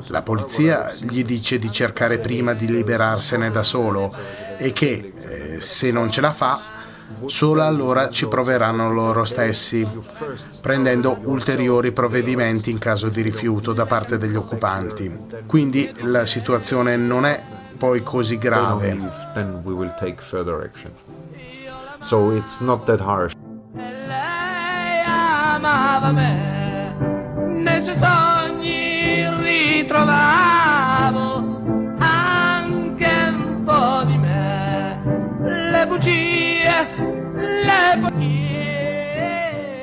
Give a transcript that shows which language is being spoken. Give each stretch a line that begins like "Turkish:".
Italian: La polizia gli dice di cercare prima di liberarsene da solo e che se non ce la fa, solo allora ci proveranno loro stessi, prendendo ulteriori provvedimenti in caso di rifiuto da parte degli occupanti. Quindi la situazione non è poi così grave.
English: Then we will take further action. So it's not that harsh.
Italian: E lei amava me, nei suoi sogni ritrovavo anche un po' di me, le bugie, le bugie.